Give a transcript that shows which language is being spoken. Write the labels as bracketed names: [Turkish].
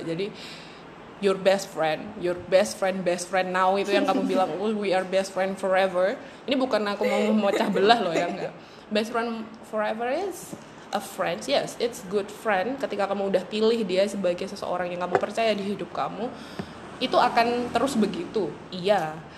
[Indonesian] Jadi [English] your best friend now [Indonesian] itu yang kamu bilang oh, [English] we are best friend forever, [Indonesian] ini bukan aku mau memecah belah loh ya, enggak. [English] Best friend forever is a friend, yes it's good friend. [Indonesian] Ketika kamu udah pilih dia sebagai seseorang yang kamu percaya di hidup kamu, itu akan terus begitu, iya.